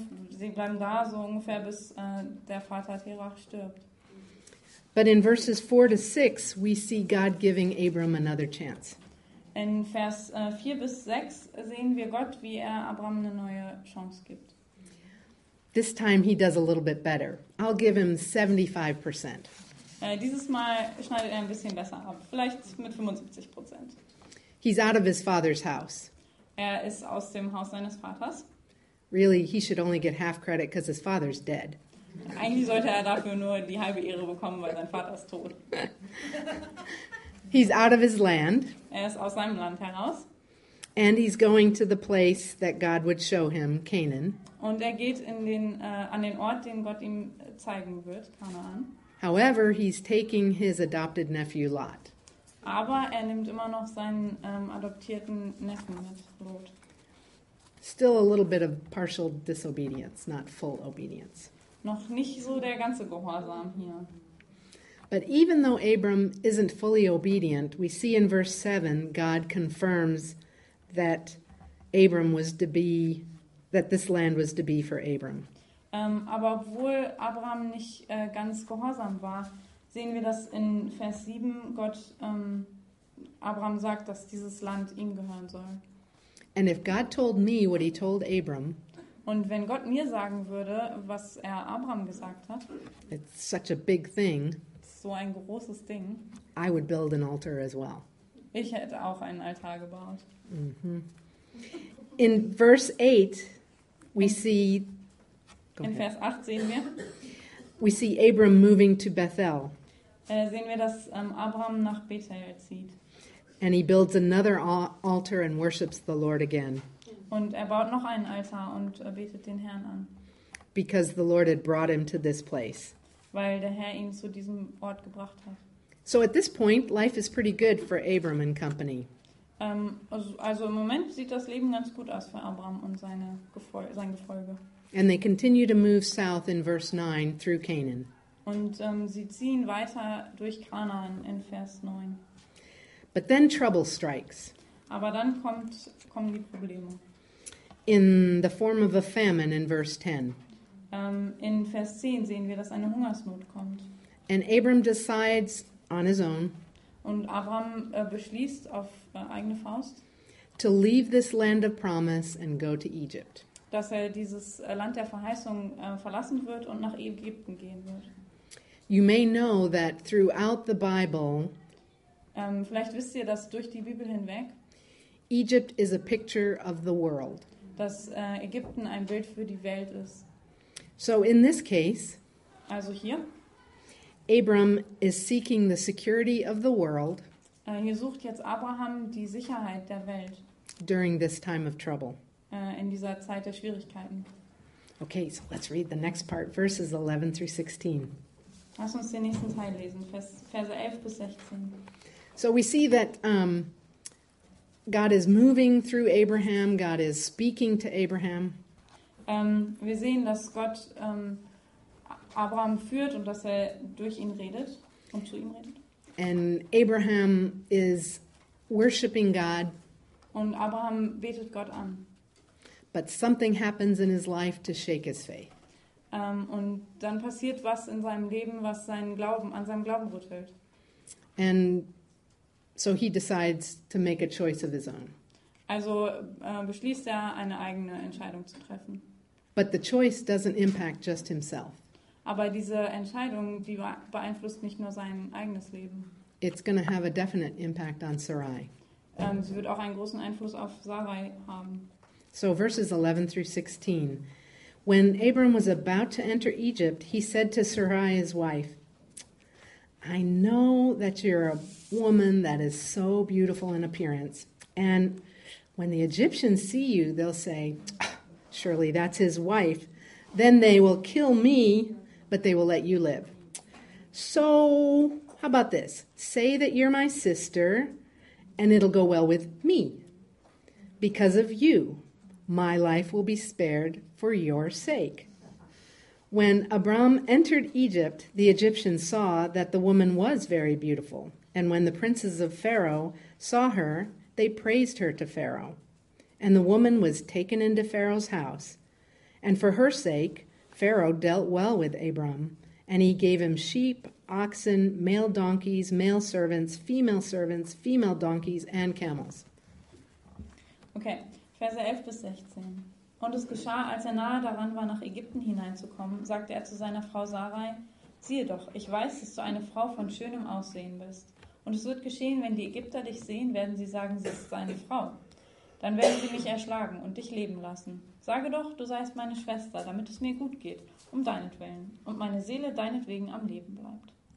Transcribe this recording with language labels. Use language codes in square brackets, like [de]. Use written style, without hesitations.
[de] Sie bleiben da so ungefähr, bis der Vater Terach stirbt. [en] But in verses 4 to 6, we see God giving Abram another chance. [de] In Vers 4 bis 6 sehen wir Gott, wie er Abram eine neue Chance gibt. [en] This time he does a little bit better. I'll give him 75%. [de] Dieses Mal schneidet er ein bisschen besser ab, vielleicht mit 75%. [en] He's out of his father's house. [de] Er ist aus dem Haus seines Vaters. [en] Really, he should only get half credit because his father's dead. [de] Eigentlich sollte er dafür nur die halbe Ehre bekommen, weil sein Vater ist tot. [en] He's out of his land. [de] Er ist aus seinem Land heraus. [en] And he's going to the place that God would show him, Canaan. [de] Und er geht in den an den Ort, den Gott ihm zeigen wird, Kanaan. [en] However, he's taking his adopted nephew Lot. [de] Aber er nimmt immer noch seinen adoptierten Neffen mit, Lot. [en] Still a little bit of partial disobedience, not full obedience. [de] Noch nicht so der ganze Gehorsam hier. [en] But even though Abram isn't fully obedient, we see in verse 7 God confirms that Abram was to be, that this land was to be for Abram. [de] Aber obwohl Abram nicht ganz gehorsam war, sehen wir, dass in Vers 7 Gott Abram sagt, dass dieses Land ihm gehören soll. [en] And if God told me what he told Abram, [de] und wenn Gott mir sagen würde, was er Abram gesagt hat, [en] it's such a big thing, [de] so ein großes Ding, [en] I would build an altar as well. [de] Ich hätte auch einen Altar gebaut. [en] Mm-hmm. In verse 8, [de] Vers 8 sehen wir, [en] we see Abram moving to Bethel. [de] Sehen wir, dass Abram nach Bethel zieht. [en] And he builds another altar and worships the Lord again. [de] Und er baut noch einen Altar und betet den Herrn an. [en] Because the Lord had brought him to this place. [de] Weil der Herr ihn zu diesem Ort gebracht hat. [en] So at this point, life is pretty good for Abram and company. [de] Also im Moment sieht das Leben ganz gut aus für Abram und sein Gefolge. [en] And they continue to move south in verse 9 through Canaan. [de] Und sie ziehen weiter durch Kanaan in Vers 9. [en] But then trouble strikes. [de] Aber dann kommen die Probleme. [en] In the form of a famine in verse 10. [de] In Vers 10 sehen wir, dass eine Hungersnot kommt. [en] And Abram decides on his own. [de] Und Abram beschließt auf eigene Faust. [en] To leave this land of promise and go to Egypt. [de] Dass er dieses Land der Verheißung verlassen wird und nach Ägypten gehen wird. [en] You may know that throughout the Bible, [de] Vielleicht wisst ihr, dass durch die Bibel hinweg [en] Egypt is a picture of the world. [de] Dass Ägypten ein Bild für die Welt ist. [en] So in this case, [de] Also hier. [en] Abram is seeking the security of the world. [de] Hier sucht jetzt Abraham die Sicherheit der Welt. [en] During this time of trouble. [de] In dieser Zeit der Schwierigkeiten. [en] Okay, so let's read the next part, verses 11 through 16. [de] Lass uns den nächsten Teil lesen, Verse 11 bis 16. [en] So we see that God is moving through Abraham, God is speaking to Abraham. [de] Wir sehen, dass Gott Abraham führt und dass er durch ihn redet und zu ihm redet. [en] And Abraham is worshiping God. [de] Und Abraham betet Gott an. [en] But something happens in his life to shake his faith. [de] Und dann passiert was in seinem Leben, was seinen Glauben, an seinem Glauben rüttelt. [en] And so he decides to make a choice of his own. [de] Also beschließt er, eine eigene Entscheidung zu treffen. [en] But the choice doesn't impact just himself. [de] Aber diese Entscheidung, die beeinflusst nicht nur sein eigenes Leben. [en] It's going to have a definite impact on Sarai. [de] Sie wird auch einen großen Einfluss auf Sarai haben. [en] So verses 11 through 16. When Abram was about to enter Egypt, he said to Sarai, his wife, I know that you're a woman that is so beautiful in appearance. And when the Egyptians see you, they'll say, surely that's his wife. Then they will kill me, but they will let you live. So how about this? Say that you're my sister and it'll go well with me because of you. My life will be spared for your sake. When Abram entered Egypt, the Egyptians saw that the woman was very beautiful. And when the princes of Pharaoh saw her, they praised her to Pharaoh. And the woman was taken into Pharaoh's house. And for her sake, Pharaoh dealt well with Abram. And he gave him sheep, oxen, male donkeys, male servants, female donkeys, and camels. [de] Okay. Verse 11 bis 16. Und es geschah, als er nahe daran war, nach Ägypten hineinzukommen, sagte er zu seiner Frau Sarai, siehe doch, ich weiß, dass du eine Frau von schönem Aussehen bist. Und es wird geschehen, wenn die Ägypter dich sehen, werden sie sagen, sie ist seine Frau. Dann werden sie mich erschlagen und dich leben lassen. Sage doch, du seist meine Schwester, damit es mir gut geht, um deinetwillen, und meine Seele deinetwegen am Leben bleibt.